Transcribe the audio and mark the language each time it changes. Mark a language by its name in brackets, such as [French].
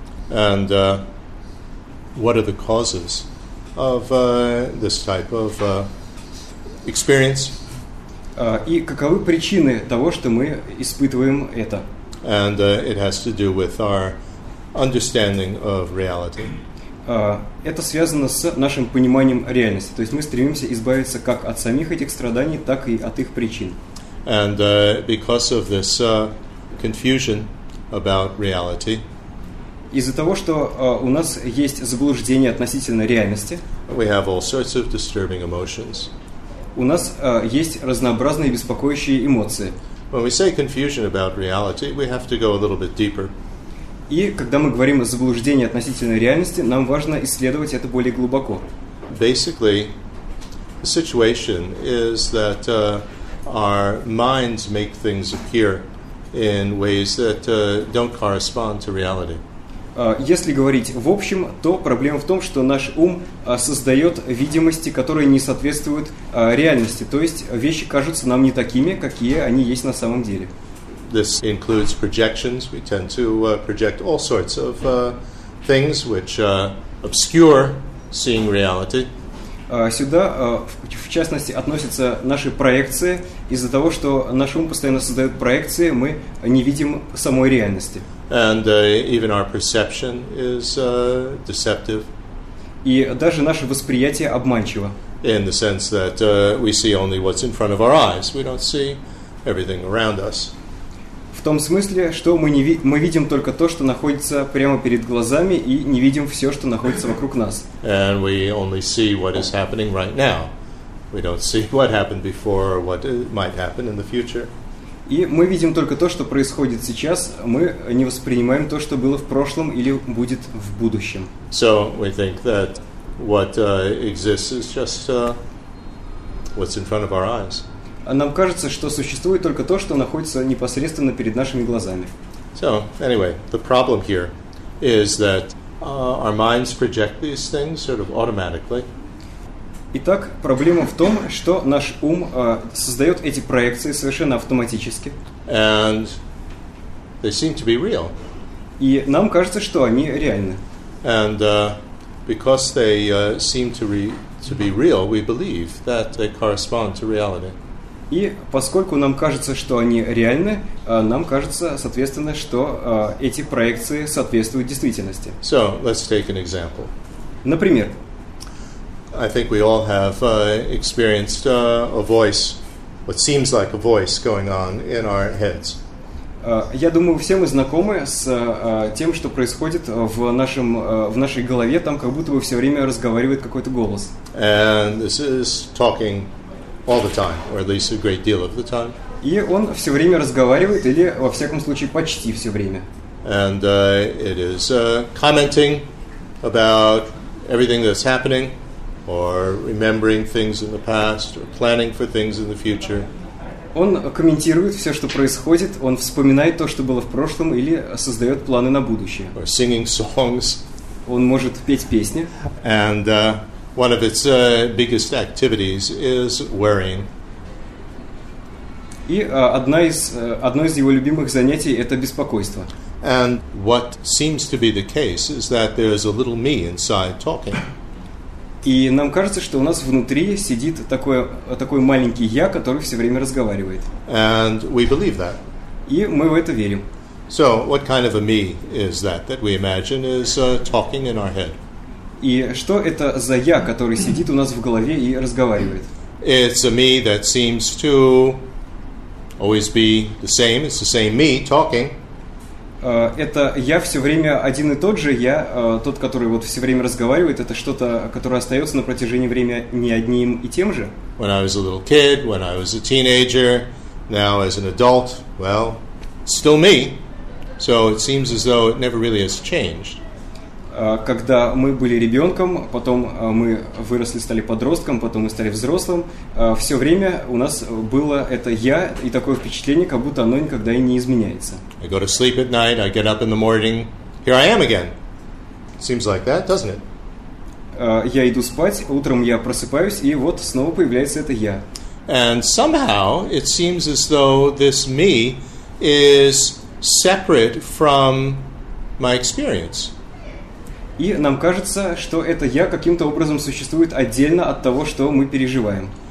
[English] And what are the causes of this type of experience? [Russian] И каковы причины того, что мы испытываем это? [English] And it has to do with our understanding of reality. [Russian] Это связано с нашим пониманием реальности. То есть мы стремимся избавиться как от самих этих страданий, так и от их причин. [English] And because of this confusion about reality, [Russian] из-за того, что у нас есть заблуждение относительно реальности, [English] we have all sorts of disturbing emotions. [Russian] У нас есть разнообразные беспокоящие эмоции. [English] When we say confusion about reality, we have to go a little bit deeper. [Russian] И когда мы говорим о заблуждении относительно реальности, нам важно исследовать это более глубоко. [English] Basically, the situation is that our minds make things appear in ways that don't correspond to reality. [Russian] Если говорить в общем, то проблема в том, что наш ум создает видимости, которые не соответствуют реальности. То есть вещи кажутся нам не такими, какие они есть на самом деле. [English] This includes projections. We tend to project all sorts of things which obscure seeing reality. [Russian] Сюда, в частности, относятся наши проекции. Из-за того, что наш ум постоянно создает проекции, мы не видим самой реальности. [English] And even our perception is deceptive. [Russian] И даже наше восприятие обманчиво. [English] In the sense that we see only what's in front of our eyes. We don't see everything around us. [Russian] В том смысле, что мы видим только то, что находится прямо перед глазами, и не видим все, что находится вокруг нас. [English] And we only see what is happening right now. We don't see what happened before or what might happen in the future. [Russian] И мы видим только то, что происходит сейчас, мы не воспринимаем то, что было в прошлом или будет в будущем. [English] So we think that what exists is just what's in front of our eyes. [Russian] Нам кажется, что существует только то, что находится непосредственно перед нашими глазами. [English] So, anyway, the problem here is that our minds project these things sort of automatically. [Russian] Итак, проблема в том, что наш ум создает эти проекции совершенно автоматически. [English] And they seem to be real. [Russian] И нам кажется, что они реальны. [English] And because they seem to be real, we believe that they correspond to reality. [Russian] И поскольку нам кажется, что они реальны, нам кажется, соответственно, что эти проекции соответствуют действительности. [English] So let's take an example. [Russian] Например. [English] I think we all have experienced a voice, what seems like a voice going on in our heads. [Russian] Я думаю, все мы знакомы с тем, что происходит в нашей голове, там как будто бы все время разговаривает какой-то голос. [English] And this is talking all the time, or at least a great deal of the time. [Russian] И он все время разговаривает, или во всяком случае почти все время. [English] And it is commenting about everything that's happening, or remembering things in the past, or planning for things in the future. [Russian] Он комментирует все, что происходит, он вспоминает то, что было в прошлом, или создает планы на будущее. [English] Or singing songs. [Russian] Он может петь песни. [English] And one of its biggest activities is worrying. [Russian] И одно из его любимых занятий — это беспокойство. [English] And what seems to be the case is that there is a little me inside talking. [Russian] И нам кажется, что у нас внутри сидит такой маленький я, который все время разговаривает. [English] And we believe that. [Russian] И мы в это верим. [English] So, what kind of a me is that that we imagine is talking in our head? [Russian] И что это за я, который сидит у нас в голове и разговаривает? [English] It's a me that seems to always be the same. It's the same me talking. [Russian] Это я все время один и тот же я, тот, который вот все время разговаривает, это что-то, которое остается на протяжении времени не одним и тем же. [English] When I was a little kid, when I was a teenager, now as an adult, well, still me. So it seems as though it never really has changed. [Russian] Когда мы были ребенком, потом мы выросли, стали подростком, потом мы стали взрослым, все время у нас было это я, и такое впечатление, как будто оно никогда и не изменяется. [English] I go to sleep at night, I get up in the morning, here I am again. Seems like that, doesn't it? [Russian] Я иду спать, утром я просыпаюсь, и вот снова появляется это я. [English] And somehow it seems as though this me is separate from my experience. [Russian] И нам кажется, что это я каким-то образом существует отдельно от того, что мы переживаем.